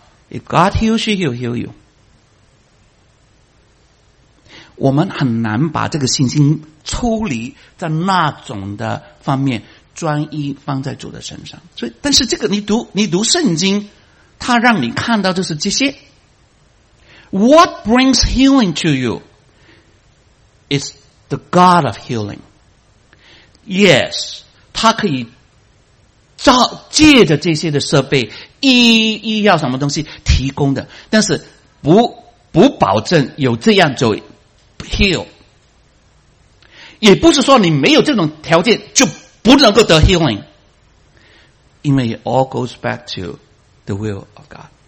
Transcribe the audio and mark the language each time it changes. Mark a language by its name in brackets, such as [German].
[English] If God heals you, he'll heal you。 [Chinese] 我们很难把这个信心抽离在那种的方面，专一放在主的身上。所以但是这个你读圣经，它让你看到就是这些。 [English] What brings healing to you is the God of healing. [Chinese] Yes, 他可以照借着这些的设备医医药什么东西提供的，但是不保证有这样就 heal， 也不是说你没有这种条件就不能够得 healing， 因为 [English] it all goes back to the will of God。